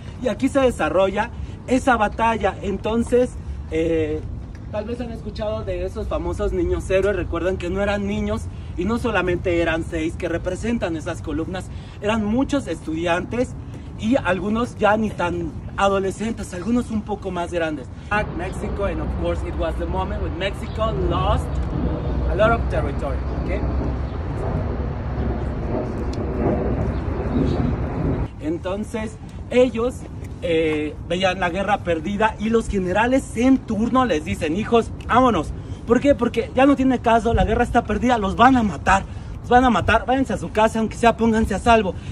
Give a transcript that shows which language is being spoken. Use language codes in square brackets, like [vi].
[es] Y aquí se desarrolla esa batalla. Entonces, tal vez han escuchado de esos famosos niños héroes. Recuerden que no eran niños, y no solamente eran seis que representan esas columnas, eran muchos estudiantes y algunos ya ni tan adolescentes, algunos un poco más grandes. [en] Mexico, and of course it was the moment when Mexico lost a lot of territory, okay? [es] Entonces ellos veían la guerra perdida y los generales en turno les dicen: hijos, vámonos. ¿Por qué? Porque ya no tiene caso, la guerra está perdida, los van a matar. Váyanse a su casa, aunque sea, pónganse a salvo.